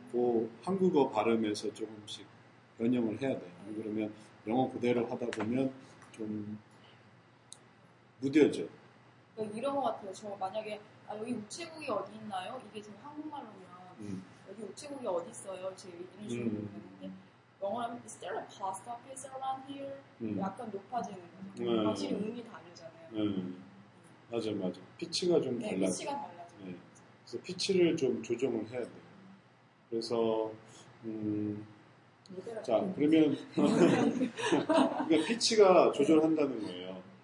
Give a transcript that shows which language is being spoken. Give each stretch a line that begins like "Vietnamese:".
Korean: 그 한국어 발음에서 조금씩 변형을 해야 돼요. 안 그러면 영어 그대로 하다 보면 좀 무뎌져. 그러니까 이런 것 같아요. 저 만약에 아, 여기 우체국이 어디 있나요? 이게 지금 한국말로면 여기 우체국이 어디 있어요? 제 이름이 영어로
English: Is there a post office around here?
Korean: 약간 높아지는 거죠. 확실히 음이 다르잖아요. 맞아 맞아. 피치가 좀 달라. 네, 피치가 달라져. 네. 그래서 피치를 좀 조정을 해야 돼요. 그래서 자 그러면 그러니까 피치가 조절한다는 거예요.